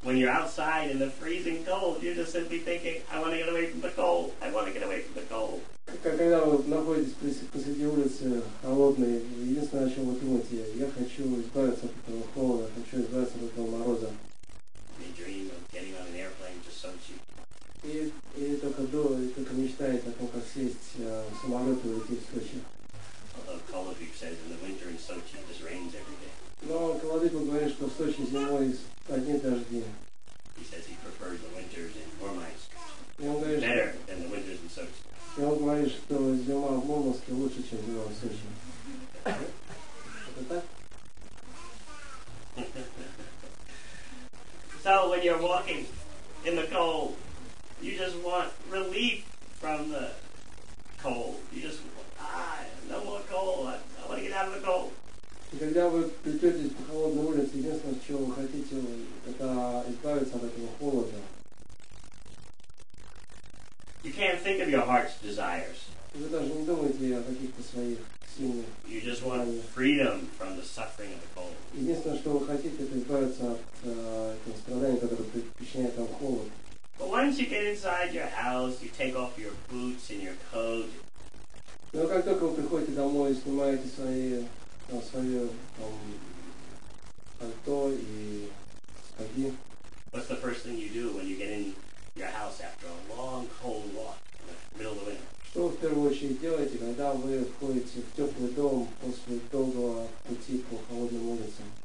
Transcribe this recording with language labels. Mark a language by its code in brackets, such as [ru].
[en] When you're outside in the freezing cold, you're just simply thinking, I want to get away from the cold. I want to get away from the cold. [ru] Когда вы находитесь посреди улицы холодной, единственное, о чем вы думаете, я хочу избавиться от этого холода, хочу избавиться от этого мороза. [en] You dream of getting on an airplane to Sochi. [ru] И только мечтает о том, как сесть в самолет и улететь в Сочи. [en] Although Kolodvik says in the winter in Sochi it just rains every day. [ru] Но Kolodvik говорит, что в Сочи зимой одни дожди. [en] He says he prefers the winters in Murmansk. [ru] И он говорит, [en] better than the winters in Sochi. [ru] И он говорит, что зима в Мурманске лучше, чем зима в Сочи. Это так? [en] So when you're walking in the cold, you just want relief from the cold. You just want, no more cold. I want to get out of the cold. [ru] И когда вы плететесь по холодной улице, единственное, чего вы хотите, это избавиться от этого холода. [en] You can't think of your heart's desires. [ru] Вы даже не думаете о каких-то своих сильных. [en] You just want freedom from the suffering of the cold. [ru] Единственное, что вы хотите, это избавиться от этого страдания, которое причиняет вам холод. [en] But once you get inside your house, you take off your boots and your coat. [ru] Но как только вы приходите домой и снимаете свое пальто и сапоги. [en] What's the first thing you do when you get in your house after a long cold walk in the middle of the winter? [ru] Что в первую очередь делаете, когда вы входите в теплый дом после долгого пути по холодным улицам?